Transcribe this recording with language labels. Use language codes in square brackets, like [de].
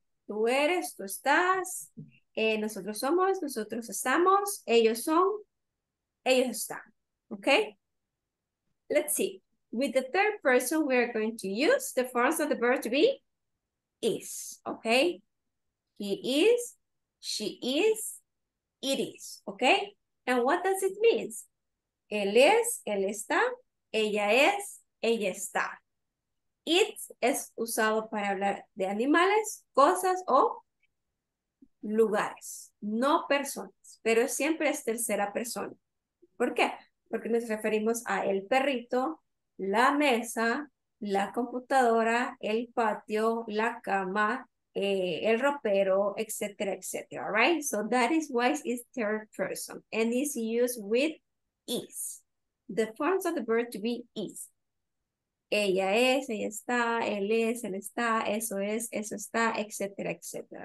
[es] Tú eres, tú estás, nosotros somos, nosotros estamos, ellos son, ellos están, okay? [en] Let's see. With the third person, we are going to use the forms of the verb to be is, okay? He is, she is, it is, okay? And what does it mean? [es] Él es, él está, ella es, ella está. It es usado para hablar de animales, cosas o lugares, no personas, pero siempre es tercera persona. ¿Por qué? Porque nos referimos a el perrito, la mesa, la computadora, el patio, la cama, el ropero, etcétera, etcétera. [en] All right? So that is why it's third person and is used with is. The forms of the verb to be is. [es] Ella es, ella está, él está, eso está, etcétera, etcétera.